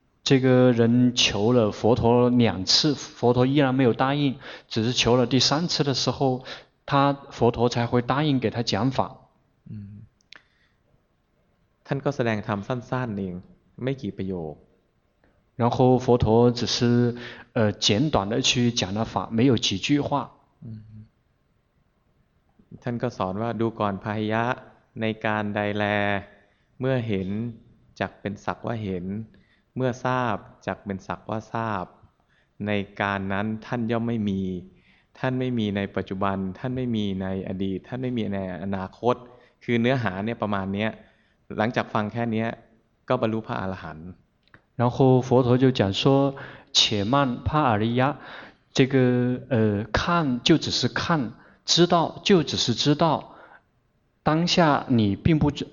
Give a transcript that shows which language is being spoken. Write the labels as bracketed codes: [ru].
[zh] 这个人求了佛陀两次佛陀依然没有答应只是求了第三次的时候他佛陀才会答应给他讲法 [th] ท่านก็แสดงธรรมสั้นๆเองไม่กี่ประโยค [zh] 然后佛陀只是简短的去讲了法没有几句话 [th] ท่านก็สอนว่าดูก่อนพหิยะในการใดแลเมื่อเห็นจักเป็นสักว่าเห็นเมื่อทราบจักเป็นสักว่าทราบในการนั้นท่านย่อมไม่มีท่านไม่มีในปัจจุบันท่านไม่มีในอดีตท่านไม่มีในอนาคตคือเนื้อหาเนี่ยประมาณนี้หลังจากฟังแค่นี้ก็บรรลุพระอรหันต์ [zh] 然后佛陀就讲说且慢帕阿利亚这个看就只是看知道就只是知道当下你并不